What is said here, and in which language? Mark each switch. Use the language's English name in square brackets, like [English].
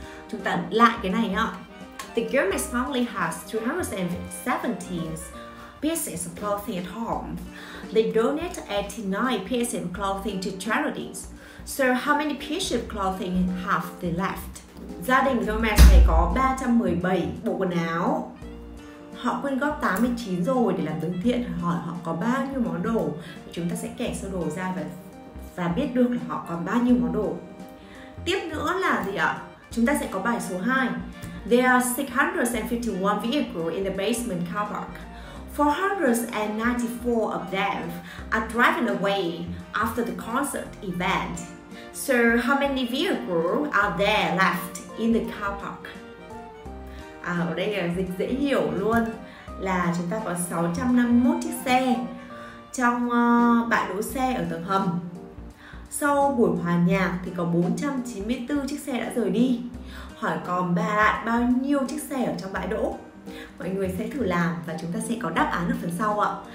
[Vietnamese] Chúng ta lại cái này nhá. [English] The Gilmer's family has 317 pieces of clothing at home. They donate 89 pieces of clothing to charities. So how many pieces of clothing have they left? [Vietnamese] Gia đình Gilmer này có 317 bộ quần áo. Họ quyên góp 89 rồi để làm từ thiện. Hỏi họ có bao nhiêu món đồ. Chúng ta sẽ kẻ sơ đồ ra và biết được là họ còn bao nhiêu món đồ. Tiếp nữa là gì ạ? Chúng ta sẽ có bài số 2. [English] There are 651 vehicles in the basement car park. 494 of them are driving away after the concert event. So how many vehicles are there left in the car park? [Vietnamese] À, ở đây là dịch dễ hiểu luôn. Là chúng ta có 651 chiếc xe trong bãi đỗ xe ở tầng hầm. Sau buổi hòa nhạc thì có 494 chiếc xe đã rời đi. Hỏi còn bao nhiêu chiếc xe ở trong bãi đỗ? Mọi người sẽ thử làm và chúng ta sẽ có đáp án ở phần sau ạ.